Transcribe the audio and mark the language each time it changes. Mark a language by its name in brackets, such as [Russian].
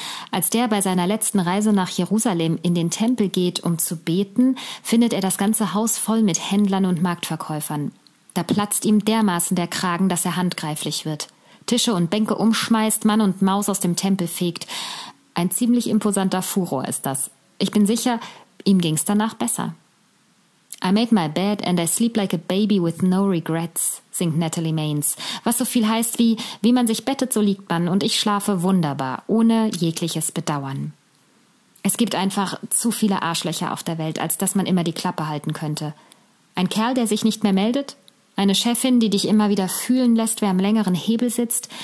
[German] Als der bei seiner letzten Reise nach Jerusalem in den Tempel geht, um zu beten, findet er das ganze Haus voll mit Händlern und Marktverkäufern. Da platzt ihm dermaßen der Kragen, dass er handgreiflich wird. Tische und Bänke umschmeißt, Mann und Maus aus dem Tempel fegt. Ein ziemlich imposanter Furor ist das. Ich bin sicher, ihm ging's danach besser. [English] I made my bed and I sleep like a baby with no regrets, [German] singt Natalie Maines. Was so viel heißt wie, wie man sich bettet, so liegt man und ich schlafe wunderbar, ohne jegliches Bedauern. Es gibt einfach zu viele Arschlöcher auf der Welt, als dass man immer die Klappe halten könnte. Ein Kerl, der sich nicht mehr meldet? Eine Chefin, die dich immer wieder fühlen lässt, wer am längeren Hebel sitzt?